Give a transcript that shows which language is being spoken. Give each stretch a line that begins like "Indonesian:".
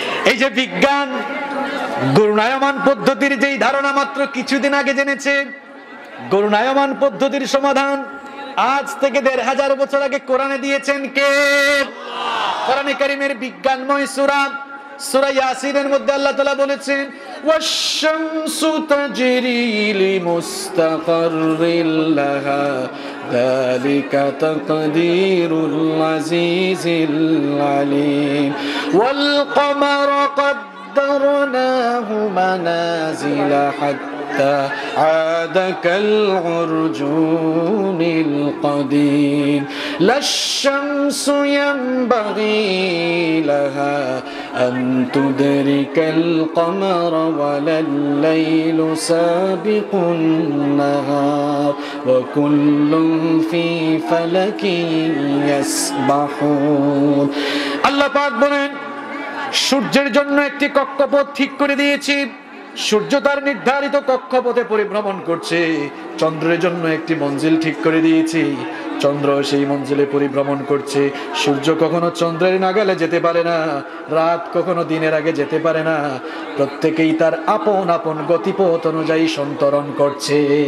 Bangla: এই যে বিজ্ঞান গুরুনায়মান পদ্ধতির যেই ধারণা মাত্র কিছুদিন আগে জেনেছে, গুরুনায়মান পদ্ধতির সমাধান আজ থেকে 1500 বছর আগে কোরআনে দিয়েছেন কে, কোরআনে কারীমের বিজ্ঞানময় সূরা সূরা ইয়াসিনের মধ্যে আল্লাহ তাআলা বলেছেন,
Arabic: ওয়াশশামসু তাজরি লিমুস্তাকাররিল লাহা ذَلِكَ تَقْدِيرُ الْعَزِيزِ الْعَلِيمِ وَالْقَمَرَ قَدَّرْنَاهُ مَنَازِلَ حَتَّى عَادَ كَالْعُرْجُونِ الْقَدِيمِ لَا الشَّمْسُ يَنْبَغِي لَهَا أَنْ تُدْرِكَ الْقَمَرَ وَلَا اللَّيْلُ سَابِقُ النَّهَارِ وَكُلٌّ فِي فَلَكٍ يَسْبَحُونَ
Bangla: الله পাক বলেন, সূর্যের জন্য একটি কক্ষপথ ঠিক করে দিয়েছি, সূর্য তার নির্ধারিত কক্ষপথে পরিভ্রমণ করছে, চন্দ্রের জন্য একটি মঞ্জিল ঠিক করে দিয়েছি, চন্দ্র সেই মঞ্জিলে পরিভ্রমণ করছে, সূর্য কখনো চন্দ্রের নাগালে যেতে পারে না, রাত কখনো দিনের আগে যেতে পারে না, প্রত্যেকেই তার আপন আপন গতিপথ অনুযায়ী সন্তরণ করছে।